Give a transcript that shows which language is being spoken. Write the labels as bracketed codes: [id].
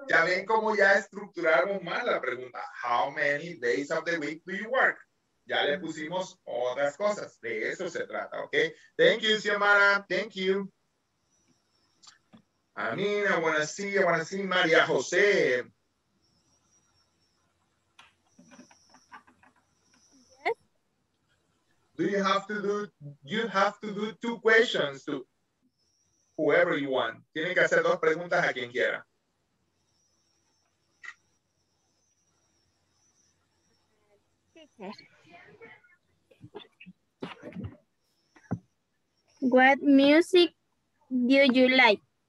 [es] Ya ven cómo ya estructuramos mal la pregunta. [en] How many days of the week do you work? [es] Ya le pusimos otras cosas. De eso se trata, okay? [en] Thank you, Xiomara. Thank you. I want to see María José. You have to do two questions to whoever you want. [es] Tienen que hacer dos preguntas a quien quiera. [en] What music do you like?